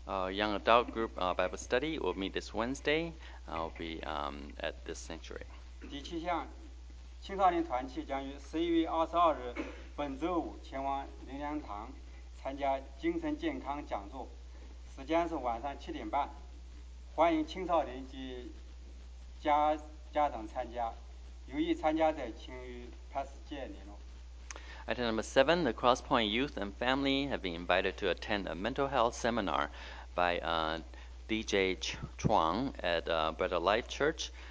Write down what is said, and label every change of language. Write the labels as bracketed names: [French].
[English] Young adult group Bible study will meet this Wednesday. Will be at this sanctuary. [Chinese] 第七项青少年团契将于11月22日本周五前往灵粮堂。参加精神健康讲座，时间是晚上7点半，欢迎青少年及家长参加，有意参加的请与Pastor介联络。 [English] Item number seven, the Cross Point Youth and Family have been invited to attend a mental health seminar by DJ Chuang at Better Life Church.